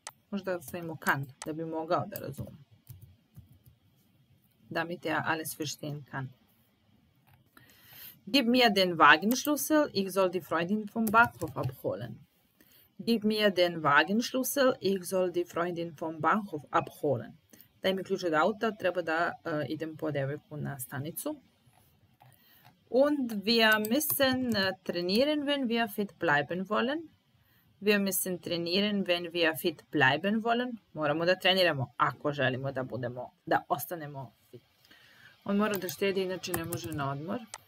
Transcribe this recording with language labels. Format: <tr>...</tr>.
<sr>Možda sam imao kan, da bi mogao da razumem.</sr> <de>Da mi te alles verstehen kann. Gib mir den Wagenschlüssel, ich soll die Freundin vom Bahnhof abholen. Gib mir den Wagenschlüssel, ich soll die Freundin vom Bahnhof abholen.</de> <sr>Daj mi ključ od auta, treba da idem po devojku na stanicu.</sr> <de>Und wir müssen trainieren, wenn wir fit bleiben wollen. Wir müssen trainieren, wenn wir fit bleiben wollen.</de> <sr>Moramo da treniramo, ako želimo da budemo, da ostanemo fit. On mora da štedi, inače ne može na odmor.</sr>